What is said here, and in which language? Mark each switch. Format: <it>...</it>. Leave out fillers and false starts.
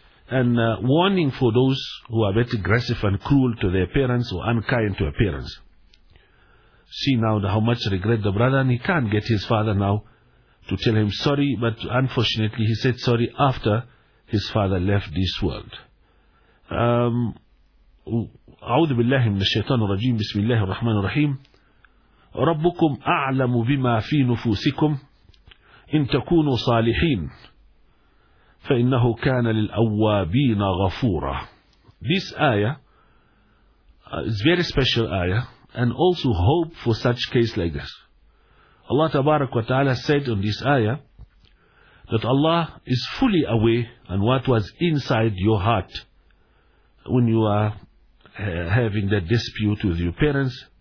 <en>And warning for those who are a bit aggressive and cruel to their parents or unkind to their parents. See now how much regret the brother, and he can't get his father now to tell him sorry, but unfortunately he said sorry after his father left this world.</en> <ar>أعوذ بالله من الشيطان الرجيم بسم الله الرحمن الرحيم. ربكم أعلم بما في نفوسكم إن تكونوا صالحين فإنه كان للأوابين غفورا.</ar> <en>This ayah is very special ayah, and also hope for such case like this. Allah تبارك وتعالى said on this ayah that Allah is fully aware on what was inside your heart when you are having that dispute with your parents.</en>